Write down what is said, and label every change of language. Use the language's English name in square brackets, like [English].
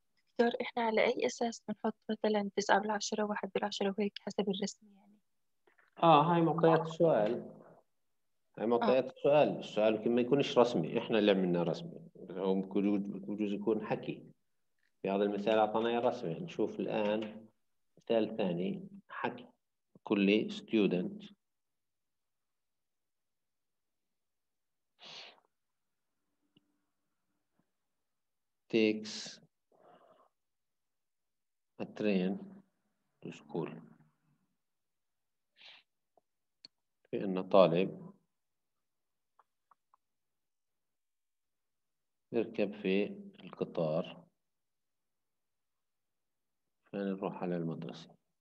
[Arabic] دكتور احنا على اي اساس بنحط مثلا 9 بالعشرة و 1 بالعشرة وهيك حسب الرسم يعني؟ هاي مقياس السؤال. هاي مقياس السؤال، السؤال يمكن ما يكونش رسمي، احنا اللي عملنا رسمي. هو بجوز يكون حكي. في هذا المثال اعطانا اياه رسمي، نشوف الان مثال ثاني حكي. كل [English] student takes a train to school. [Arabic] بأن طالب يركب في القطار فنروح على المدرسة.